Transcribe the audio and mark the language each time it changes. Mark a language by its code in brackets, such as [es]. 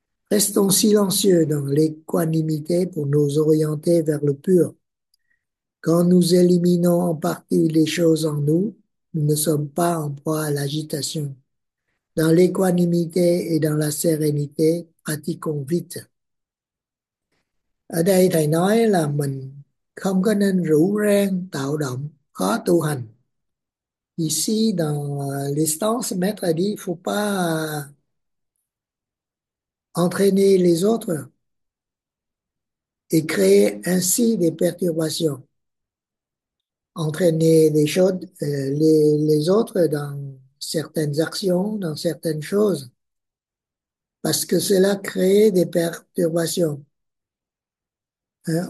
[fr] Restons silencieux dans l'équanimité pour nous orienter vers le pur. Quand nous éliminons en partie les choses en nous, nous ne sommes pas en proie à l'agitation. Dans l'équanimité et dans la sérénité, pratiquons vite. [vi] Ở đây thầy nói là mình không có nên rủ rang tạo động khó tu hành. [fr] Ici, dans l'instance, maître a dit, il faut pas entraîner les autres et créer ainsi des perturbations. Entraîner des choses, les autres dans certaines actions, dans certaines choses, parce que cela crée des perturbations. Hein?